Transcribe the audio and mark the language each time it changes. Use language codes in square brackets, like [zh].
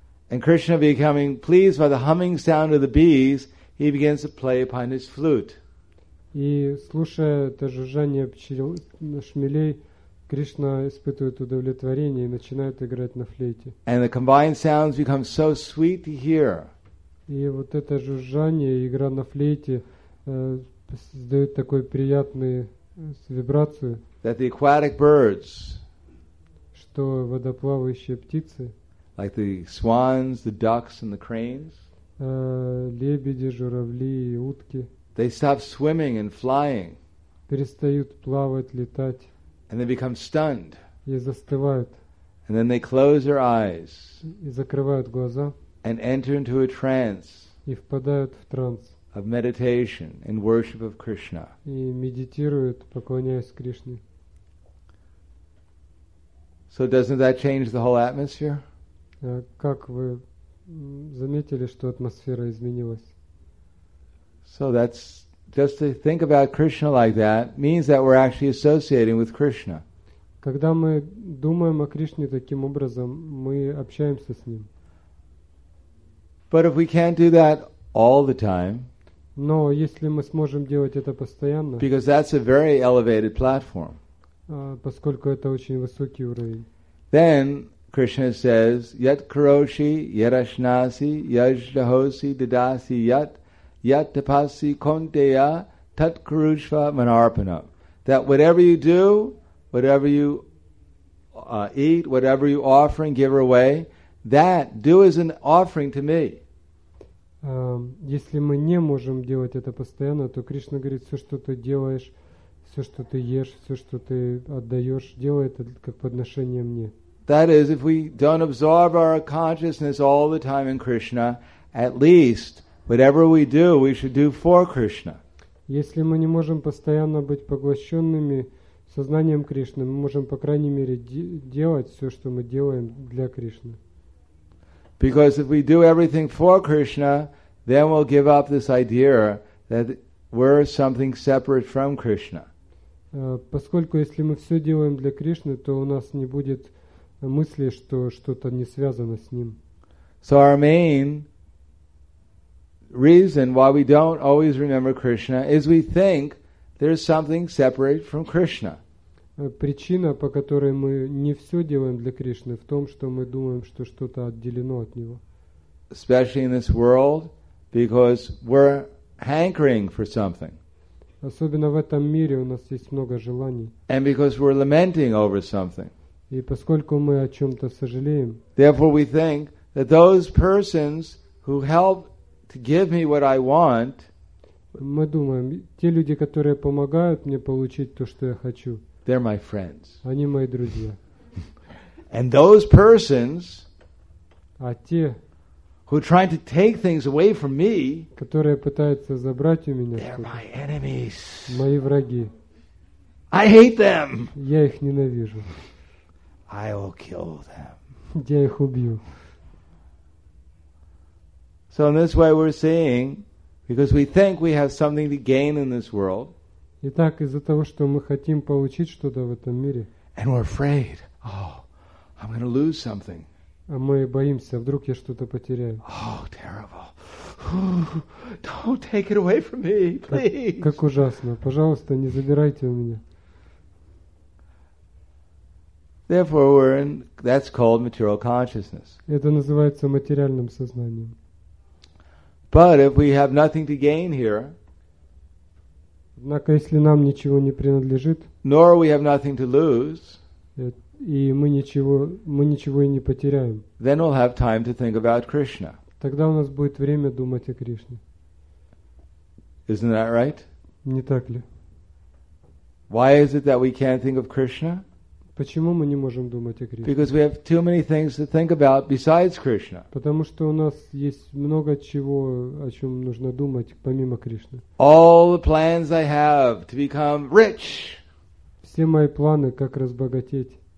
[en] And Krishna, becoming pleased by the humming sound of the bees, he begins to play upon his flute. [ru] И слушая это жужжание пчел, шмелей, Кришна испытывает удовлетворение и начинает играть на флейте. [en] And the combined sounds become so sweet to hear. [ru] И вот это жужжание, игра на флейте, создает такой приятный вибрацию. [en] That the aquatic birds, [ru] что водоплавающие птицы, [en] like the swans, the ducks, and the cranes, [ru] лебеди, журавли и утки, [en] they stop swimming and flying, [ru] перестают плавать, летать. [en] And they become stunned. [ru] И застывают. [en] And then they close their eyes. [ru] И закрывают глаза. [en] And enter into a trance. [ru] И впадают в транс. [en] Of meditation and worship of Krishna. [ru] И медитируют, поклоняясь Кришне. [en] So doesn't that change the whole atmosphere? [ru] Как вы заметили, что атмосфера изменилась? [en] So that's just to think about Krishna like that means that we're actually associating with Krishna. [ru] Когда мы думаем о Кришне таким образом, мы общаемся с ним. [en] But if we can't do that all the time, [ru] но если мы сможем делать это постоянно, [en] because that's a very elevated platform, [ru] поскольку это очень высокий уровень, [en] then Krishna says, [sa] yat karoshi, yat ashnasi, yajdahosi, didasi, yat Yat tapasi konteya tat kurushva manarpanam. [en] That whatever you do, whatever you eat, whatever you offer and give away, that do as an offering to me. [ru] Если мы не можем делать это постоянно, то Кришна говорит, все, что ты делаешь, все, что ты ешь, все, что ты отдаешь, делай это как подношение мне. [en] That is, if we don't absorb our consciousness all the time in Krishna, at least whatever we do, we should do for Krishna. [ru] Если мы не можем постоянно быть поглощенными сознанием Кришны, мы можем, по крайней мере, делать все, что мы делаем для Кришны. [en] Because if we do everything for Krishna, then we'll give up this idea that we're something separate from Krishna. [ru] Поскольку если мы все делаем для Кришны, то у нас не будет мысли, что что-то не связано с Ним. [en] So our main reason why we don't always remember Krishna is we think there's something separate from Krishna. [ru] Причина, по которой мы не все делаем для Кришны, в том, что мы думаем, что что-то отделено от него. [en] Especially in this world, because we're hankering for something. [ru] Особенно в этом мире у нас есть много желаний. [en] And because we're lamenting over something. [ru] И поскольку мы о чем-то сожалеем. [en] Therefore, we think that those persons who help to give me what I want, [ru] мы думаем, те люди, которые помогают мне получить то, что я хочу, [en] they're my friends. [ru] Они мои друзья. [en] And those persons, [ru] а те, [en] who are trying to take things away from me, [ru] которые пытаются забрать у меня, [en] they're my enemies. [ru] Мои враги. [en] I hate them. [ru] Я их ненавижу. [en] I will kill them. [ru] Я их убью. [en] So in this way we're seeing, because we think we have something to gain in this world. [ru] Итак, из-за того, что мы хотим получить что-то в этом мире, [en] and we're afraid. Oh, I'm going to lose something. [ru] А мы боимся, вдруг я что-то потеряю. [en] Oh, terrible. Don't take it away from me, please. [ru] Как ужасно. Пожалуйста, не забирайте у меня. [en] Therefore, that's called material consciousness. [ru] Это называется материальным сознанием. [en] But if we have nothing to gain here, [ru] однако если нам ничего не принадлежит, [en] nor we have nothing to lose, [ru] и мы ничего и не потеряем, [en] then we'll have time to think about Krishna. [ru] Тогда у нас будет время думать о Кришне. [en] Isn't that right? [ru] Не так ли? [en] Why is it that we can't think of Krishna? [ru] Почему мы не можем думать о Кришне? [en] Because we have too many things to think about besides Krishna. [ru] Потому что у нас есть много чего, о чем нужно думать помимо Кришны. [en] All the plans I have to become rich. [ru] все мои планы, как разбогатеть.